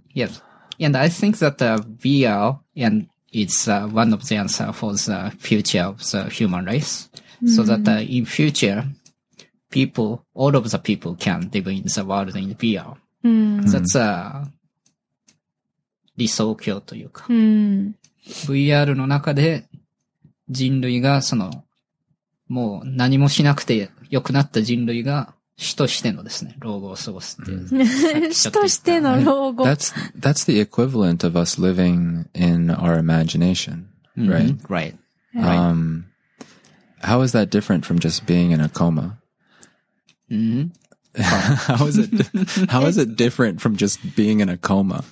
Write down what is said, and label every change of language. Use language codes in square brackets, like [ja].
[en] Yes. And I think that VR and it's one of the answer for the future of the human race. Mm-hmm. So that in future, people, all of the people can live in the world in VR. Mm. That's a dystopia というか。うん、 [ja] VR の中で人類がその、もう何もしなくて良くなった人類が死としてのですね、老後を過ごすっていう。 Mm. 死としての老後。 [en] That's the equivalent of us living in our imagination, right?、 Mm-hmm. Right. How is that different from just being in a coma? Mm-hmm. How is it different from just being in a coma?